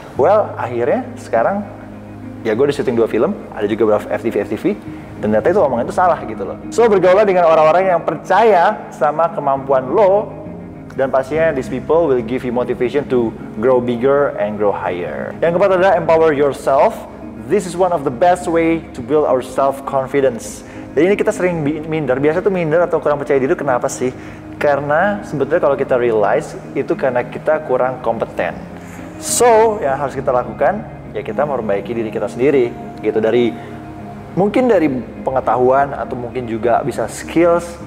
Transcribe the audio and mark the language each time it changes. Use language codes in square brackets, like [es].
[id] Well, akhirnya sekarang, ya gue udah syuting 2 film, ada juga beberapa FTV-FTV, dan ternyata itu omongan itu salah gitu loh. [en] So, [id] bergaulah dengan orang-orang yang percaya sama kemampuan lo, dan pastinya [en] these people will give you motivation to grow bigger and grow higher. [id] Yang keempat adalah [en] empower yourself. This is one of the best way to build our self-confidence. [id] Jadi ini kita sering minder, biasa tuh minder atau kurang percaya diri, kenapa sih? Karena sebetulnya kalau kita realize, itu karena kita kurang kompeten. So, yang harus kita lakukan, ya kita memperbaiki diri kita sendiri. Gitu, mungkin dari pengetahuan, atau mungkin juga bisa skills.